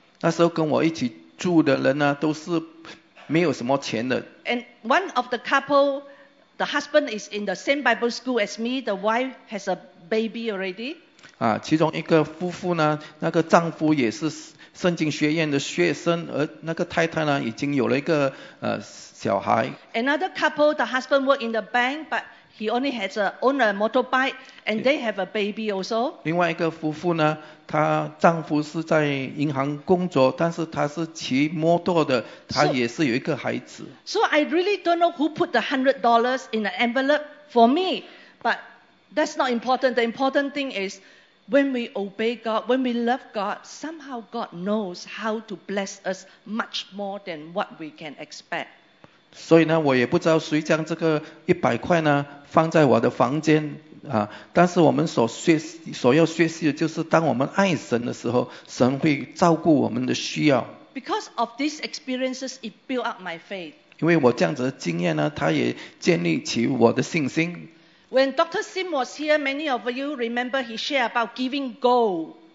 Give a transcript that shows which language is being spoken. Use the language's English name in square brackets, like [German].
[Chinese] 那时候跟我一起住的人呢，都是没有什么钱的。 [English] And one of the couple, the husband is in the same Bible school as me, the wife has a baby already. [Chinese] 其中一个夫妇呢，那个丈夫也是圣经学院的学生，而那个太太呢，已经有了一个小孩。 [English] Another couple, the husband worked in the bank, but he only has own a motorbike, and they have a baby also. [Chinese] 另外一个夫妇呢，她丈夫是在银行工作，但是他是骑摩托的，他也是有一个孩子。 [English] So I really don't know who put the $100 in an envelope for me, but that's not important. The important thing is. When we obey God, when we love God, somehow God knows how to bless us much more than what we can expect. [Chinese] 所以呢，我也不知道谁将这个$100呢放在我的房间但是我们所要学习的就是，当我们爱神的时候，神会照顾我们的需要。 [English] Because of these experiences, it built up my faith. [Chinese] 因为我这样子的经验呢，它也建立起我的信心。 [English] When Dr. Sim was here, many of you remember he shared about giving gold.